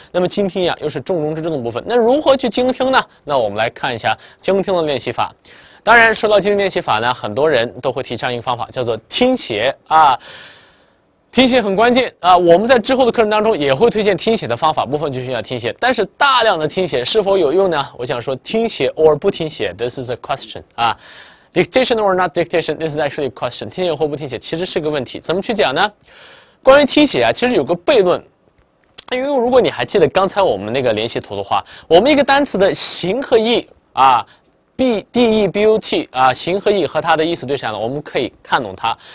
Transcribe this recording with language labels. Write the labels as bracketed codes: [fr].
[zh] 那么精听呀，又是重中之重的部分。那如何去精听呢？那我们来看一下精听的练习法。当然，说到精听练习法呢，很多人都会提倡一个方法，叫做听写啊。听写很关键啊，我们在之后的课程当中也会推荐听写的方法，部分就需要听写。但是大量的听写是否有用呢？我想说，听写 or 不听写 ， [en] this is a question [zh] 啊。 [en] Dictation or not dictation, this is actually a question。 [zh] 听写或不听写，其实是个问题。怎么去讲呢？关于听写啊，其实有个悖论。因为如果你还记得刚才我们那个练习图的话，我们一个单词的形和义啊 ，d e b u t 啊，形和义和它的意思对上了，我们可以看懂它。